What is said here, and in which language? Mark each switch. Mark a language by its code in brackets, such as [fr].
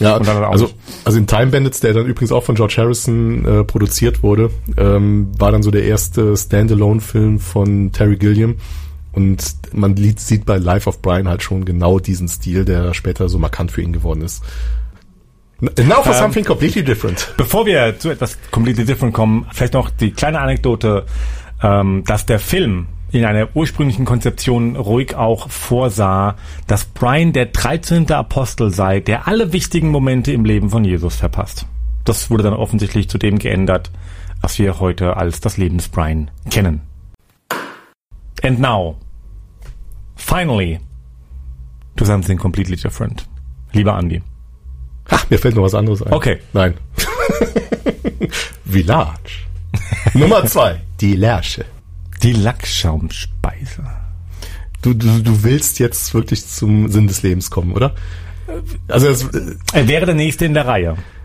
[de] ja, und dann auch. Also in Time Bandits, der dann übrigens auch von George Harrison produziert wurde, war dann so der erste Standalone-Film von Terry Gilliam, und man sieht bei Life of Brian halt schon genau diesen Stil, der später so markant für ihn geworden ist. [en] Now for something completely different. [de] Bevor wir zu etwas [en] completely different [de] kommen, vielleicht noch die kleine Anekdote, dass der Film in einer ursprünglichen Konzeption ruhig auch vorsah, dass Brian der 13. Apostel sei, der alle wichtigen Momente im Leben von Jesus verpasst. Das wurde dann offensichtlich zu dem geändert, was wir heute als das Leben des Brian kennen. [en] And now, finally, do something completely different. [de] Lieber Andy. Ach, mir fällt noch was anderes ein. Okay. Nein. Village. Nummer zwei. Die Lärsche. Die Lackschaumspeise. Du willst jetzt wirklich zum Sinn des Lebens kommen, oder? Also er wäre der Nächste in der Reihe.